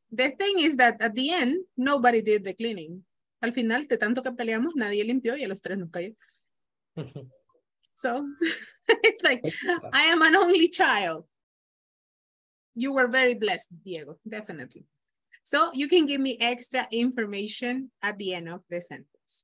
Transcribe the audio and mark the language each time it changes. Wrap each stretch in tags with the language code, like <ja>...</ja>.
<en>The thing is that at the end, nobody did the cleaning.</en> <es>Al final, de tanto que peleamos, nadie limpió y a los tres nos cayó.</es> <en>So, it's like, I am an only child. You were very blessed, Diego, definitely. So you can give me extra information at the end of the sentence.</en>